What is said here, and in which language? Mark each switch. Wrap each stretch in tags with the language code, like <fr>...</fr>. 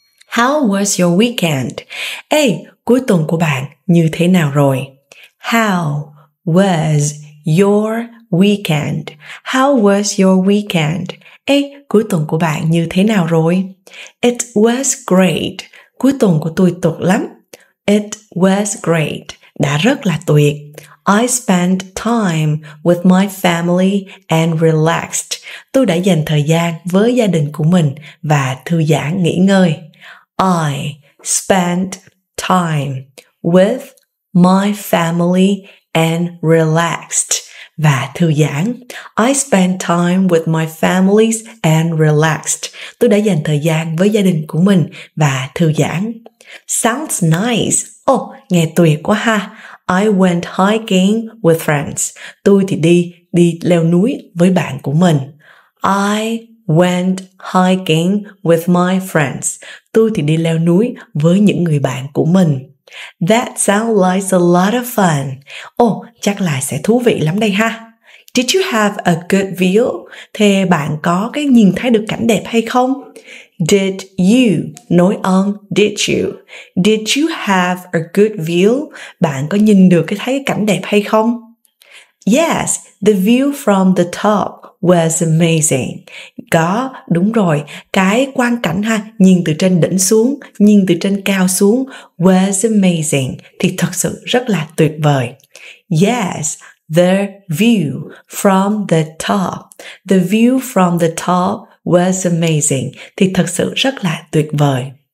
<en>How was your weekend?</en> <vi>Ê, cuối tuần của bạn như thế nào rồi?</vi> <en>How was your weekend? How was your weekend?</en> <vi>Ê, cuối tuần của bạn như thế nào rồi?</vi> <en>It was great.</en> <vi>Cuối tuần của tôi tuyệt lắm.</vi> <en>It was great.</en> <vi>Đã rất là tuyệt.</vi> <en>I spent time with my family and relaxed.</en> <vi>Tôi đã dành thời gian với gia đình của mình và thư giãn nghỉ ngơi.</vi> <en>I spent time with my family and relaxed.</en> <vi>Và thư giãn.</vi> <en>I spent time with my family and relaxed.</en> <vi>Tôi đã dành thời gian với gia đình của mình và thư giãn.</vi> <en>Sounds nice.</en> <vi>Oh, nghe tuyệt quá ha.</vi> <en>I went hiking with friends.</en> <vi>Tôi thì đi leo núi với bạn của mình.</vi> <en>I went hiking with my friends.</en> <vi>Tôi thì đi leo núi với những người bạn của mình.</vi> <en>That sounds like a lot of fun.</en> <vi>Oh, chắc là sẽ thú vị lắm đây ha.</vi> <en>Did you have a good view?</en> <vi>Thế bạn có cái nhìn thấy được cảnh đẹp hay không?</vi> <en>Did you, nối âm, did you? Did you have a good view?</en> <vi>Bạn có nhìn được cái thấy cảnh đẹp hay không?</vi> <en>Yes, the view from the top was amazing.</en> <vi>Có, đúng rồi. Cái quang cảnh ha, nhìn từ trên đỉnh xuống, nhìn từ trên cao xuống,</vi> <en>was amazing,</en> <vi>thì thật sự rất là tuyệt vời.</vi> <en>Yes, the view from the top. The view from the top was amazing,</en> <vi>thì thật sự rất là tuyệt vời.</vi>